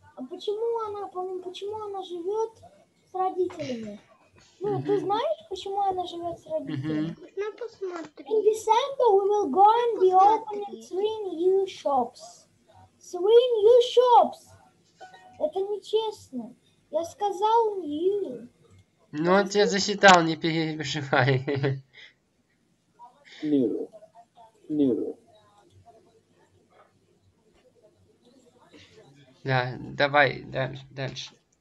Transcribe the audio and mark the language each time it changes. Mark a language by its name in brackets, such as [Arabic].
[Russian] Почему она живет с родителями? Ну, ты знаешь, почему она живет с родителями? Ну, посмотри. [English] In December we will go and be opening three new shops. Three new shops! [Russian] Это нечестно. Я сказал new. Ну, он тебя засчитал, не переживай. [English] New. [Russian] Да, давай дальше.